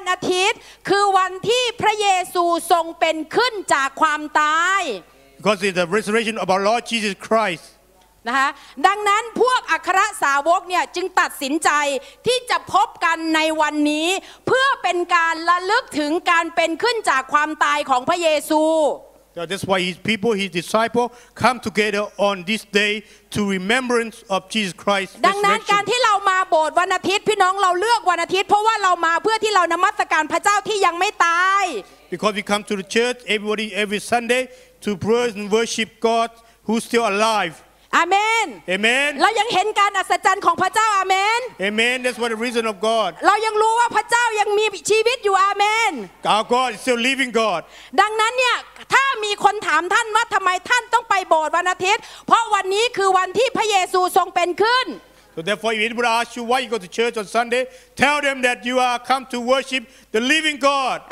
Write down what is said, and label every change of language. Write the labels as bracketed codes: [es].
[th] นอาทิตย์คือวันที่พระเยซูทรงเป็นขึ้นจากความตาย [en] Because it's the resurrection of our Lord Jesus Christ [th] นะคะดังนั้นพวกอัครสาวกเนี่ยจึงตัดสินใจที่จะพบกันในวันนี้เพื่อเป็นการระลึกถึงการเป็นขึ้นจากความตายของพระเยซู [en] That's why his people his disciple come together on this dayTo remembrance of Jesus Christ. [th] ดังนั้นการที่เรามาโบสถ์วันอาทิตย์พี่น้องเราเลือกวันอาทิตย์เพราะว่าเรามาเพื่อที่เรานมัสการพระเจ้าที่ยังไม่ตาย [en] Because we come to the church everybody every Sunday to praise and worship God who's still alive. Amen. Amen. [th] เรายังเห็นการอัศจรรย์ของพระเจ้า Amen. [en] Amen. That's what the reason of God. [th] เรายังรู้ว่าพระเจ้ายังมีชีวิตอยู่ Amen. [en] Our God is still living God. [th] ดังนั้นเนี่ยถ้ามีคนถามท่านว่าทำไมท่านต้องไปโบสถ์วันอาทิตย์เพราะวันนี้คือวันที่พระเยซูทรงเป็นขึ้น [en] So therefore if anybody asks you why you go to church on Sunday tell them that you are come to worship the living God